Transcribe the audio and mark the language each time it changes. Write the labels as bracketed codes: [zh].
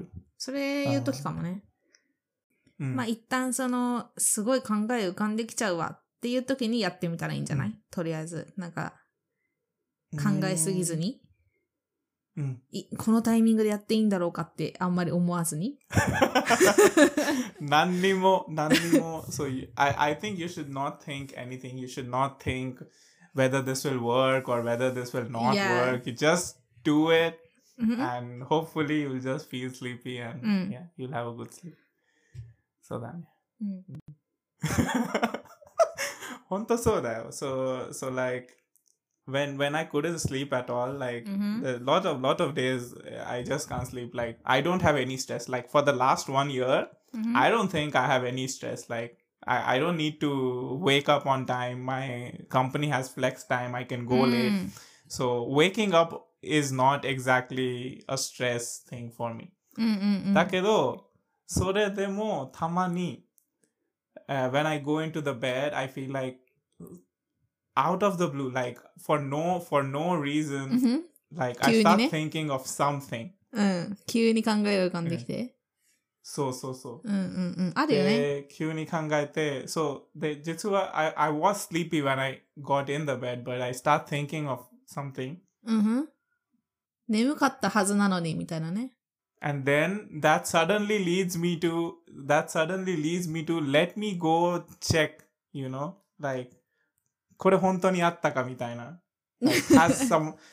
[ja] うんうんうん、そうだね。それ言う時かもね。うん、まあ、一旦その、すごい考え浮かんできちゃうわっていう時にやってみたらいいんじゃない、うん、とりあえず。なんか、考えすぎずに。このタイミングでやっていいんだろうかってあんまり思わずに。何にも、何にも。 [en] So I think you should not think anything. You should not think whether this will work or whether this will not、yeah. work. You just do it、 mm-hmm. and hopefully you'll just feel sleepy and、mm. yeah, you'll have a good sleep. So then.、Mm. [ja] 本当そうだよ。 [en] So like,When I couldn't sleep at all, like, mm-hmm. a lot of days, I just can't sleep. Like, I don't have any stress. Like, for the last 1 year, mm-hmm. I don't think I have any stress. Like, I don't need to wake up on time. My company has flex time. I can go、mm-hmm. late. So, waking up is not exactly a stress thing for me. [ja] だけど、それでもたまに、 [en] when I go into the bed, I feel like,out of the blue, like, for no reason,、 mm-hmm. like, I start、ね、thinking of something. [ja] うん、急に考えが浮かんできて。そうそうそう。うんうんうん、あるよね。で、急に考えて、 [en] so, [ja] で、実は、 [en] I was sleepy when I got in the bed, but I start thinking of something. [ja] うん、眠かったはずなのに、みたいなね。 [en] And then, that suddenly leads me to, let me go check, you know, like, [ja] これ本当にあったかみたいな。 [en] Like, has some...